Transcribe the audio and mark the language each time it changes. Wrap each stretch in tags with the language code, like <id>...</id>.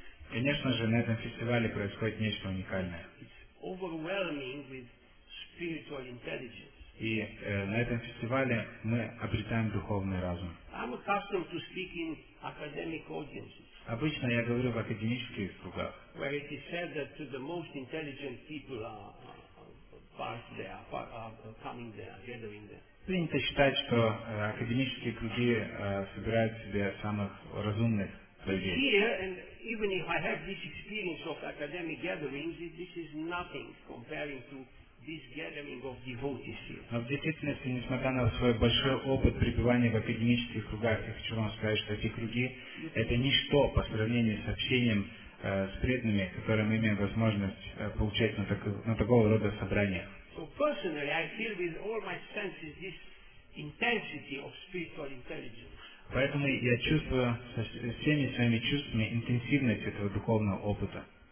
<ru>Конечно же, на этом фестивале происходит нечто уникальное.</ru> <en>It's overwhelming with spiritual intelligence.</en> <ru>И на этом фестивале мы обретаем духовный разум.</ru> <en>I'm accustomed to speak in academic audiences.</en> <ru>Обычно я говорю в академических кругах.</ru> <en>Where it is said that the most intelligent people are coming there, gathering there.</en> <ru>Принято считать, что академические круги собирают в себе самых разумных людей.</ru> <en>Here, and even if I have this experience of academic gatherings, this is nothing comparing to this gathering of devotees here.</en> <ru>Но в действительности, несмотря на свой большой опыт пребывания в академических кругах, я хочу вам сказать, что эти круги – это ничто по сравнению с общением с преданными, которые мы имеем возможность получать на такого рода собраниях.</ru> <en>So personally, I feel with all my senses this intensity of spiritual intelligence.</en> <ru>Поэтому я чувствую со всеми своими чувствами интенсивность этого духовного опыта.</ru>